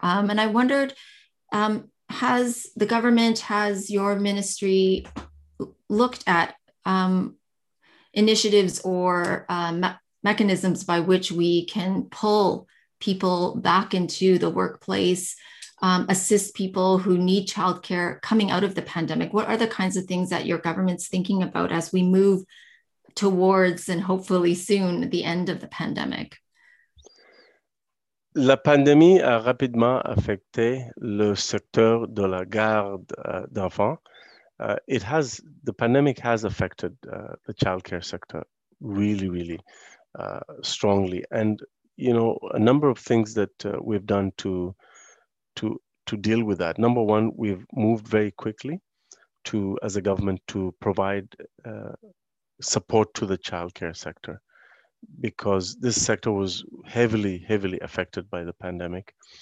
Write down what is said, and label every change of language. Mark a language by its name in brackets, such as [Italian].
[English] And I wondered, has your ministry looked at initiatives or mechanisms by which we can pull people back into the workplace, assist people who need childcare coming out of the pandemic? What are the kinds of things that your government's thinking about as we move towards and hopefully soon the end of the pandemic? [French] La pandémie a rapidement affecté le secteur de la garde d'enfants. [English] It has, the pandemic has affected the childcare sector really, really strongly. And, you know, a number of things that we've done to deal with that. Number one, we've moved very quickly to, as a government, to provide support to the childcare sector, because this sector was heavily, heavily affected by the pandemic.